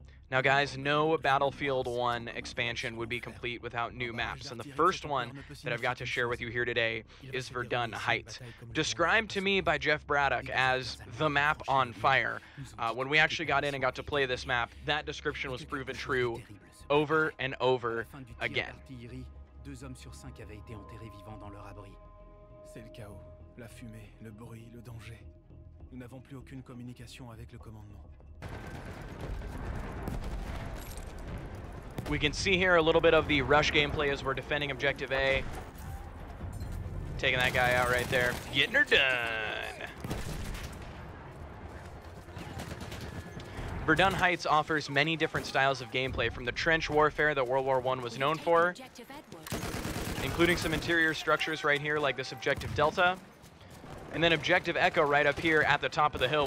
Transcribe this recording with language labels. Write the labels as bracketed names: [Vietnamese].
[English] Now guys, no Battlefield 1 expansion would be complete without new maps, and the first one that I've got to share with you here today is Verdun Heights. Described to me by Jeff Braddock as the map on fire. When we actually got in and got to play this map, that description was proven true over and over again. [French] Deux hommes sur cinq avaient été enterrés vivants dans leur abri. C'est le chaos, la fumée, le bruit, le danger. Nous n'avons plus aucune communication avec le commandement. [English] We can see here a little bit of the rush gameplay as we're defending objective A. Taking that guy out right there. Getting her done. Verdun Heights offers many different styles of gameplay, from the trench warfare that World War I was known for, including some interior structures right here like this objective Delta, and then objective Echo right up here at the top of the hill.